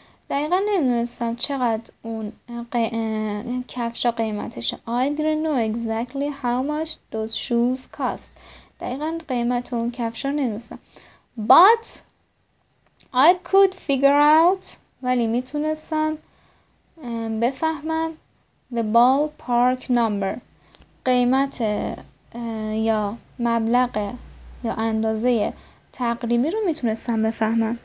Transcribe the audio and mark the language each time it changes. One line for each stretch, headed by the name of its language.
Persian: دقیقا نمیدونستم چقدر اون کفش ها قیمتش.
English: I didn't know exactly how much those shoes cost.
Persian: دقیقا قیمت اون کفش ها نمیدونستم.
English: But I could figure out،
Persian: ولی میتونستم بفهمم
English: the ballpark number
Persian: قیمت یا مبلغ یا اندازه تقریبی رو میتونستم بفهمم.